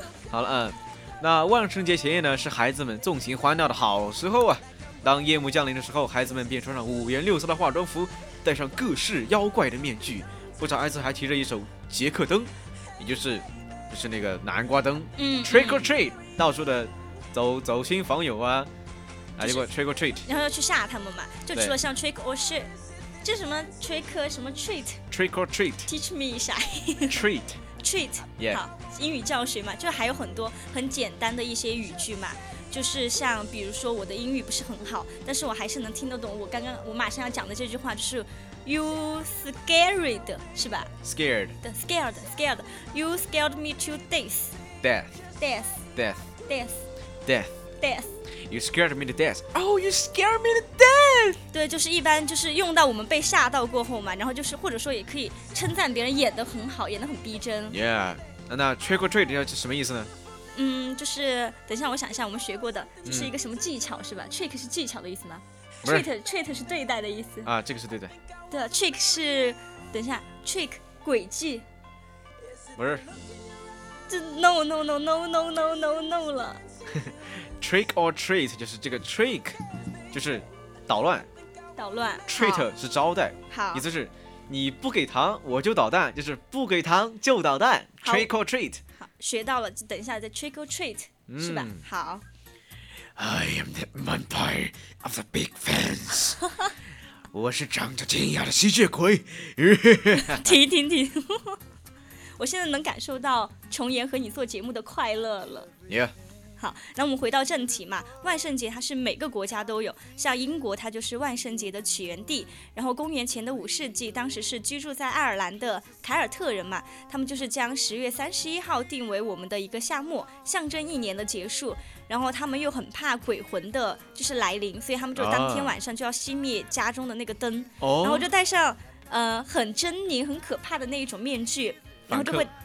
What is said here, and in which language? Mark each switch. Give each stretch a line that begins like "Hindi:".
Chinese: 好了，那万圣节前夜呢，是孩子们纵情欢闹的好时候啊。当夜幕降临的时候，孩子们便穿上五颜六色的化妆服，戴上各式妖怪的面具。不少孩子还提着一手杰克灯，也就是那个南瓜灯。嗯，
English: trick or treat，
Chinese: 到处的走亲访友啊，来一个 trick or treat，然后要去吓他们嘛。就除了像
English: trick or treat，
Chinese: 这什么 trick 什么 treat，trick
English: or treat，teach
Chinese: me 一下
English: treat， yeah，
Chinese: 好，英语教学嘛，就还有很多很简单的一些语句嘛。就是像比如说我的英语不是很好，但是我还是能听得懂我马上要讲的这句话，就是
English: You scared
Chinese: 是吧？
English: Scared You scared me to death You scared me to death Oh you scared me to death
Chinese: 对，就是一般就是用到我们被吓到过后嘛，然后就是或者说也可以称赞别人演得很好，演得很逼真。 Yeah， 那
English: trick or treat
Chinese: 要什么意思呢？就是等一下我想一下，我们学过的就是一个什么技巧是吧？ trick 是技巧的意思吗？treat 是对待的意思啊，这个是对待。对， trick 是等一下 trick 诡计。不是，这 no 了。
English: trick or treat
Chinese: 就是这个 trick 就是捣乱，捣乱。 Treat 是招待，好，意思是你不给糖我就捣蛋，就是不给糖就捣蛋。
English: Trick or treat。
Chinese: 好，学到了，就等一下再
English: trick or treat，
Chinese: 是吧？好。
English: I am the vampire of the big fence.
Chinese: 我是长着尖牙的吸血鬼。停停停！我现在能感受到琼妍和你做节目的快乐了。
English: Yeah。
Chinese: 好，那我们回到正题嘛，万圣节它是每个国家都有，像英国它就是万圣节的起源地，然后公元前的五世纪，当时是居住在爱尔兰的凯尔特人嘛，他们就是将10月31号定为我们的一个夏末，象征一年的结束，然后他们又很怕鬼魂的就是来临，所以他们就当天晚上就要熄灭家中的那个灯，然后就戴上很狰狞很可怕的那一种面具，然后就会